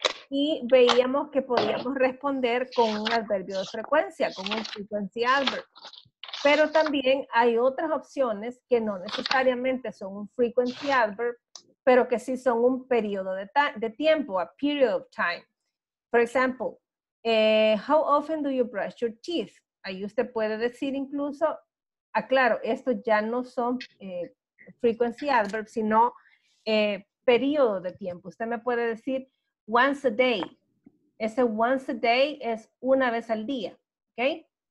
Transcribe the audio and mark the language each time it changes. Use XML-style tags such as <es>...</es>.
<es>Y veíamos que podíamos responder con un adverbio de frecuencia, con un frequency adverb. Pero también hay otras opciones que no necesariamente son un frequency adverb, pero que sí son un periodo de tiempo,</es> <en>a period of time. For example, how often do you brush your teeth?</en> <es>Ahí usted puede decir incluso, aclaro, estos ya no son frequency adverbs, sino periodo de tiempo. Usted me puede decir</es> <en>once a day.</en> <es>Ese once a day es una vez al día, ¿ok?</es>